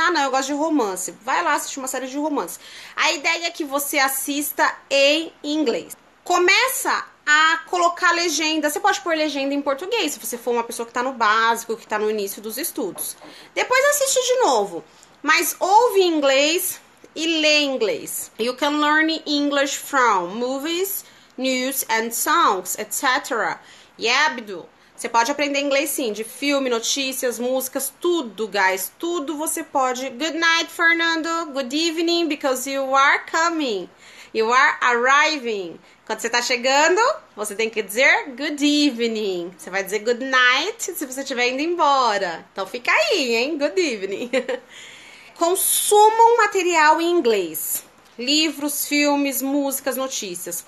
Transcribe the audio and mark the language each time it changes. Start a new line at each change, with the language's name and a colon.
Portuguese: Ah, não, eu gosto de romance. Vai lá, assiste uma série de romance. A ideia é que você assista em inglês. Começa a colocar legenda. Você pode pôr legenda em português, se você for uma pessoa que tá no básico, que tá no início dos estudos. Depois assiste de novo. Mas ouve em inglês e lê em inglês.
English: You can learn English from movies, news and songs, etc.
Portuguese: Yabdo, você pode aprender inglês sim, de filme, notícias, músicas, tudo, guys, tudo você pode.
English: Good night, Fernando. Good evening, because you are coming. You are arriving.
Portuguese: Quando você tá chegando, você tem que dizer
English: good evening.
Portuguese: Você vai dizer
English: good night
Portuguese: se você estiver indo embora. Então fica aí, hein?
English: Good evening.
Portuguese: Consumam material em inglês. Livros, filmes, músicas, notícias.